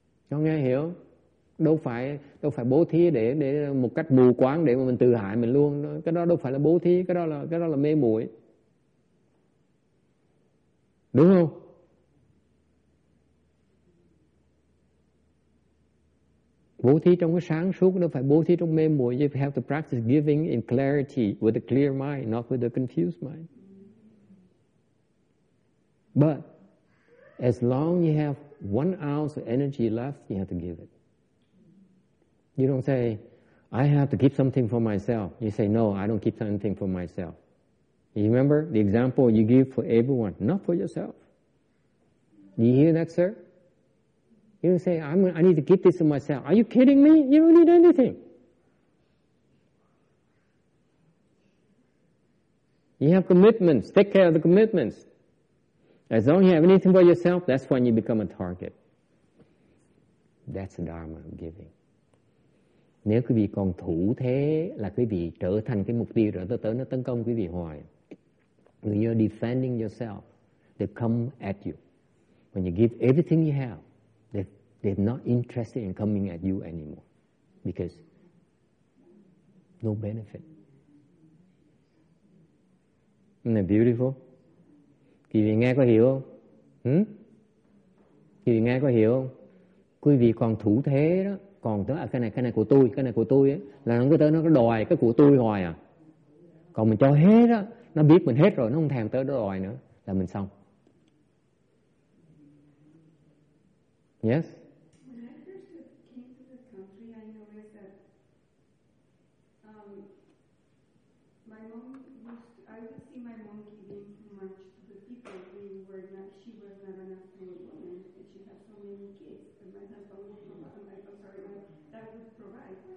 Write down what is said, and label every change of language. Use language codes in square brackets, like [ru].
[vi] Cho nghe hiểu không? Đâu phải bố thí để một cách mù quáng để mà mình tự hại mình luôn. Cái đó đâu phải là bố thí, cái đó là mê muội. Đúng không? Bố thí trong cái sáng suốt, nó phải bố thí trong mê muội. [en] You have to practice giving in clarity with a clear mind, not with a confused mind. But as long you have 1 ounce of energy left, you have to give it. You don't say, I have to keep something for myself. You say, no, I don't keep anything for myself. You remember the example you give for everyone, not for yourself. You hear that, sir? You don't say, I need to keep this to myself. Are you kidding me? You don't need anything. You have commitments. Take care of the commitments. As long as you have anything for yourself, that's when you become a target. That's the Dharma of giving. [vi] Nếu quý vị còn thủ thế là quý vị trở thành cái mục tiêu rồi tới nó tấn công quý vị hoài. [en] When you're defending yourself, they come at you. When you give everything you have, they're not interested in coming at you anymore because no benefit. Isn't that beautiful? [vi] Quý vị nghe có hiểu không? Quý vị nghe có hiểu không? Quý vị còn thủ thế đó, còn tới cái này của tôi, cái này của tôi ấy, là nó cứ tới nó đòi cái của tôi hoài à. Còn mình cho hết đó, nó biết mình hết rồi, nó không thèm tới đòi nữa, là mình xong. [en] Yes? When I first came to the country, I noticed that my mom used, I would see my mom giving too much to the people. She was not an affluent woman, and she had so many kids, and my husband would provide, that would provide.